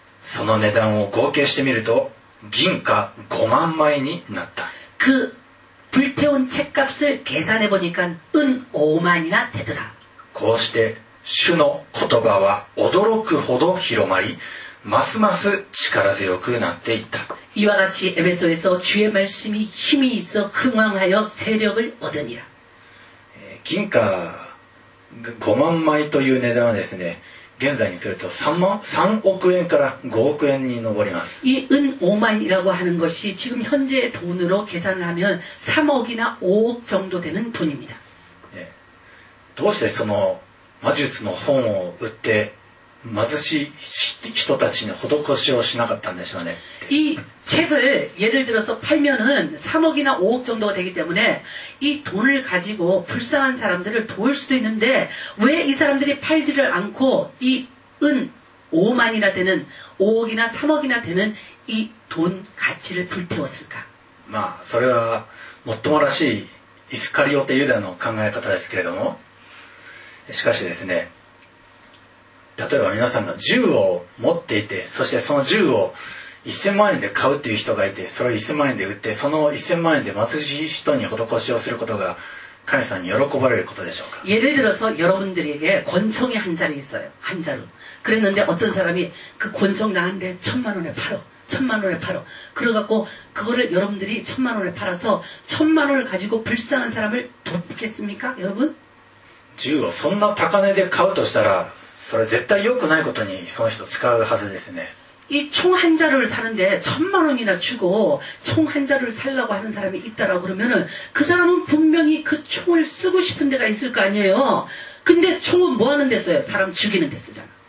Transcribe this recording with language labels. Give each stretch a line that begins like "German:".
Japanese: その値段を合計してみると銀貨5万枚になった。
Korean: 그불태운책값을계산해보니까은5만이나되더라。
Japanese: こうして主の言葉は驚くほど広まりますます力強くなっていった。
Korean: 이와같이에베소에서주의말씀이힘이있어흥황하여세력을얻으니라
Japanese: 金貨5万枚という値段はですね現在にすると3億円から5億円に上ります。
Korean: 이은5만이라고하는것이지금현재의돈으로계산을하면3억이나5억정도되는돈입니다네
Japanese: どうしてその魔術の本を売って貧しい人たちに施しをしなかったんでしょうね。
Korean: 이책을예를들어서팔면은3억이나5억정도가되기때문에이돈을가지고불쌍한사람들을도울수도있는데왜이사람들이팔지를않고이은 5만이나 되는 5억이나 3억이나 되는 이 돈 가치를 불태웠을까?
Japanese: 마, それは最もらしいイスカリオテユダの考え方ですけれども。しかしですね、 例えば皆さんが銃を持っていて、そしてその銃を1000万円で買うっていう人がいて、それを1000万円で売って、その1000万円で貧しい人に施しをすることが神様に喜ばれることでしょうか？
Korean: 예를 들어서 여러분들에게 권총이 한 자루 있어요. 한 자루. 그랬는데 어떤 사람이 그 권총 나한테 1000만 원에 팔어. 1000만 원에 팔어. 그래갖고 그거를 여러분들이 1000만 원에 팔아서 1000만 원을 가지고 불쌍한 사람을 돕겠습니까? 여러분?
Japanese: 銃をそんな高値で買うとしたら、それ絶対良くないことにその人使うはずですね。
Korean: 이총한자루를사는데천만원이나주고총한자루를살라고하는사람이있다라고그러면은그사람은분명히그총을쓰고싶은데가있을거아니에요근데총은뭐하는데써요사람죽이는데쓰잖아